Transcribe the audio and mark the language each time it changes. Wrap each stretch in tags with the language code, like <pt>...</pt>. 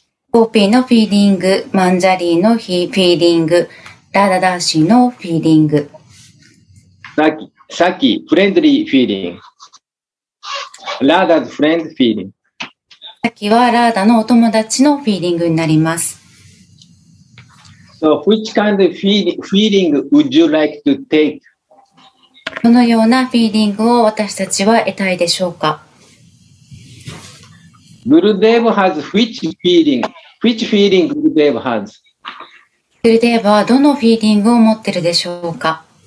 <ja>ゴーピーのフィーリング、マンジャリのフィーリング、ラダダシのフィーリング。さっき、フレンドリーフィーリング。ラーダーズフレンドフィーリング。さっきはラーダのお友達のフィーリングになります。</ja> <en>So, which kind of feeling would you like to take?</en> <ja>どのようなフィーリングを私たちは得たいでしょうか?</ja> <en>Gurudev has which feeling? Which feeling Gurudev has?</en> <ja>Gurudev はどのフィーリングを持ってるでしょうか?</ja>